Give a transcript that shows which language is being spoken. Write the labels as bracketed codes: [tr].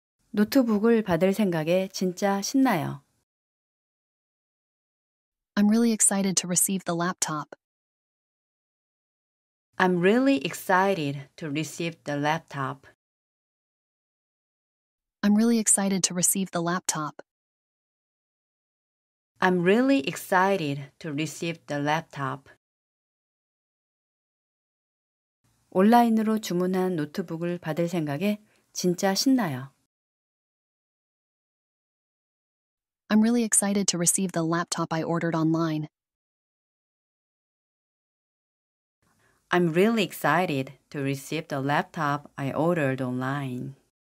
[ko] 노트북을 받을 생각에 진짜 신나요. [en] I'm really excited to receive the laptop. I'm really excited to receive the laptop. I'm really excited to receive the laptop. I'm really excited to receive the laptop. [ko] 온라인으로 주문한 노트북을 받을 생각에 진짜 신나요. [en] I'm really excited to receive the laptop I ordered online. I'm really excited to receive the laptop I ordered online.